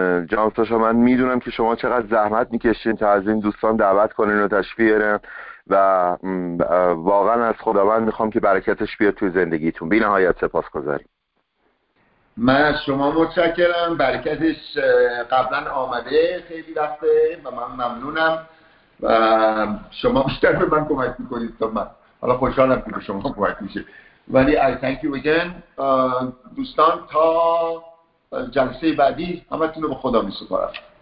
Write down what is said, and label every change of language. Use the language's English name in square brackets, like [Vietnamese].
[Persian] جناب تاشا من میدونم که شما چقدر زحمت میکشین تا از این دوستان دعوت کنین و تشویق کنین و واقعا از خداوند میخوام که برکتش بیاد توی زندگیتون. بی نهایت سپاسگزاریم. من از شما متشکرم، برکتش قبلا آمده خیلی وقته و من ممنونم و شما بیشتر به من کمک میکنید تا من. حالا خوشحالم که به شما کمک میشه. ولی [English] I thank you again. [Persian] دوستان تا جلسه بعدی همتون رو به خدا می سپارم.